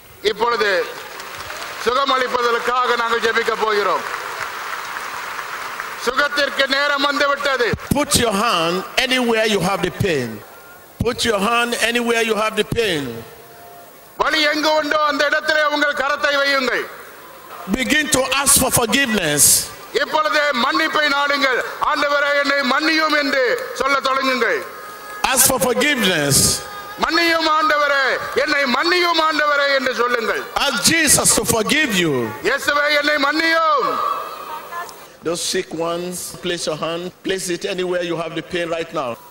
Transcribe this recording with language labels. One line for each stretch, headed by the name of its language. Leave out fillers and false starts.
Tamil: இப்பொழுது சுகமளிப்பதற்காக நாங்கள் ஜெபிக்க போகிறோம். சுகத்திற்கு நேரம் வந்துவிட்டது.
English: Put your hand anywhere you have the pain. Put your hand anywhere you have the pain.
Tamil: வலி எங்கு உண்டோ அந்த இடத்திலே உங்கள் கரத்தை வையுங்கள்.
English: Begin to ask for forgiveness.
Tamil: இப்பொழுது மன்னிப்பை நாடுங்கள். ஆண்டவரே என்னை மன்னியும் என்று சொல்ல தொடங்குங்கள்.
English: Ask for forgiveness.
Tamil: மன்னியும் ஆண்டவரே, என்னை மன்னியும் ஆண்டவரே என்று சொல்லுங்கள்.
English: Ask Jesus to forgive you.
Tamil: இயேசுவே, என்னை மன்னியும்.
English: Those sick ones, place your hand, place it anywhere you have the pain right now.